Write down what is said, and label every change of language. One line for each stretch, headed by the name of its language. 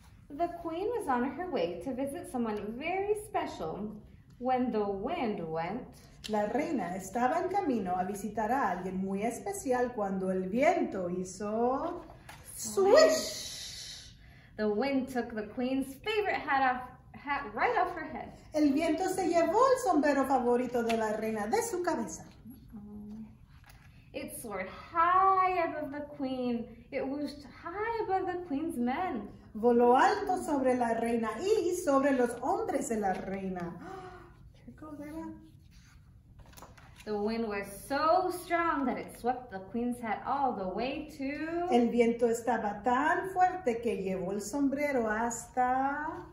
English: The queen was on her way to visit someone very special when the wind went.
Spanish: La reina estaba en camino a visitar a alguien muy especial cuando el viento hizo swish.
English: The wind took the queen's favorite hat right off her head.
Spanish: El viento se llevó el sombrero favorito de la reina de su cabeza.
English: It soared high above the queen. It whooshed high above the queen's men.
Spanish: Voló alto sobre la reina y sobre los hombres de la reina.
English: The wind was so strong that it swept the queen's hat all the way to...
Spanish: El viento estaba tan fuerte que llevó el sombrero hasta...